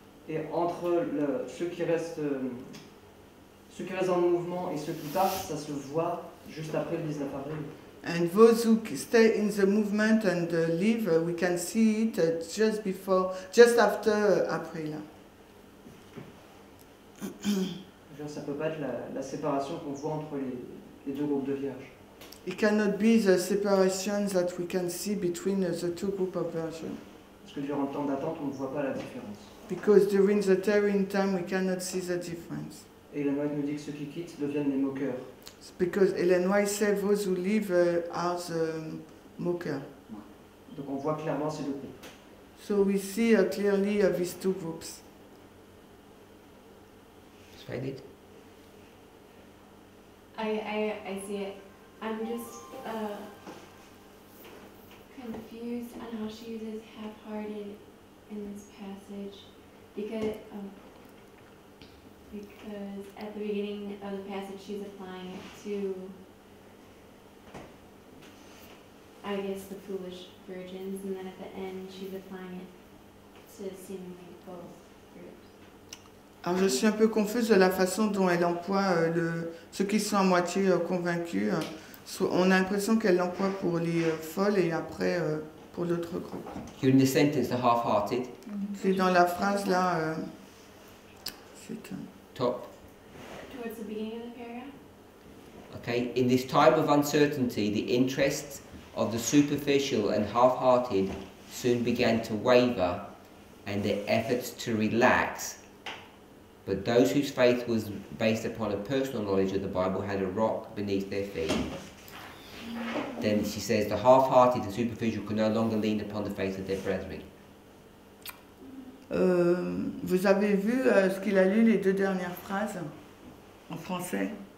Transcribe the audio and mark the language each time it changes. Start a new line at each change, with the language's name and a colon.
French: Et entre ceux qui restent en mouvement et ceux qui partent, ça se voit juste après le 19 avril.
English: And those who stay in the movement and leave, we can see it just after April.
French: Ça peut pas être la séparation qu'on voit entre les deux groupes de vierges.
English: It cannot be the separation that we can see between the two groups of virgins.
French: Parce que durant le temps d'attente, on ne voit pas la différence.
English: Because during the tarrying time, we cannot see the difference.
French: Et Ellen White nous dit que ceux qui quittent deviennent les moqueurs.
English: It's because Ellen White says those who leave are the mockers.
French: Donc on voit clairement ces deux groupes.
English: So we see clearly these two groups. I see it. I'm just confused on how she uses half-hearted in this passage, because at the beginning of the passage she's applying it to, I guess, the foolish virgins, and then at the end she's applying it to seemingly both.
French: Alors je suis un peu confuse de la façon dont elle emploie ceux qui sont à moitié convaincus. On a l'impression qu'elle l'emploie pour les folles et après pour l'autre groupe.
English: You're in the sentence, the half-hearted.
French: C'est dans la phrase là. C'est
English: top. Towards the beginning of the paragraph. Okay. In this time of uncertainty, the interests of the superficial and half-hearted soon began to waver, and their efforts to relax. But those whose faith was based upon a personal knowledge of the Bible had a rock beneath their feet. Then she says, the half-hearted and superficial could no longer lean upon the faith of their brethren.
French: Vous avez vu ce qu'il a lu les deux dernières phrases en français?